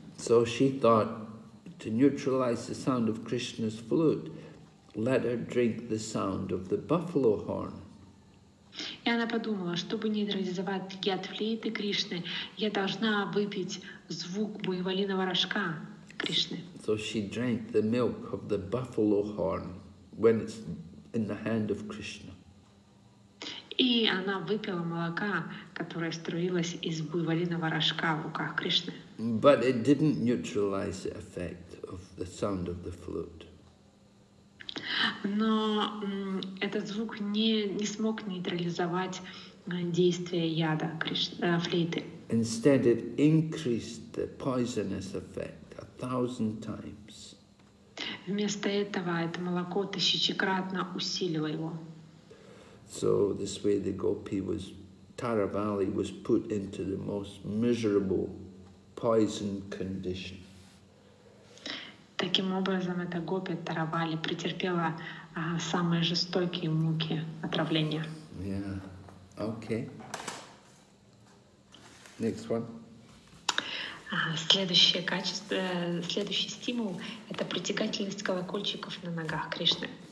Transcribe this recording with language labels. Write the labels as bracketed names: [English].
[English] So she thought, to neutralize the sound of Krishna's flute, let her drink the sound of the buffalo horn. [Russian] И она подумала, чтобы нейтрализовать яд флейты Кришны, я должна выпить звук буйволиного рожка Кришны. [English] So she drank the milk of the buffalo horn when it's in the hand of Krishna. [Russian] И она выпила молока, которое струилось из буйволиного рожка в руках Кришны. [English] But it didn't neutralize the effect of the sound of the flute. [Russian] Но этот звук не смог нейтрализовать действие яда флейты. [English] Instead, it increased the poisonous effect 1,000 times. [Russian] Вместо этого это молоко тысячекратно усилило его. [English] So this way the gopi was, Taravali was put into the most miserable poison condition. [Russian] Таким образом эта гопи Таравали претерпела самые жестокие муки отравления. [English] Yeah, okay. Next one. [Russian] Следующее качество, следующий стимул — это притягательность колокольчиков на ногах Кришны.